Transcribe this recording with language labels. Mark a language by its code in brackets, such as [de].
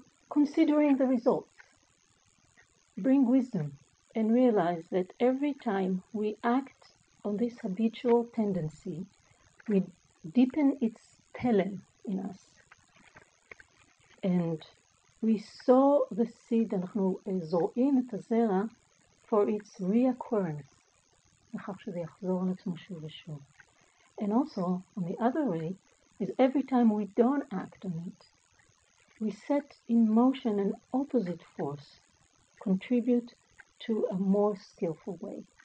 [en] Considering the results. Bring wisdom and realize that every time we act on this habitual tendency, we deepen its telling in us. And we sow the seed, [he] אנחנו זורעים את הזרע, [en] for its reoccurrence, [he] לכך שזה יחזור על עצמו שוב ושוב. [en] And also, on the other way, is every time we don't act on it, we set in motion an opposite force, contribute to a more skillful way.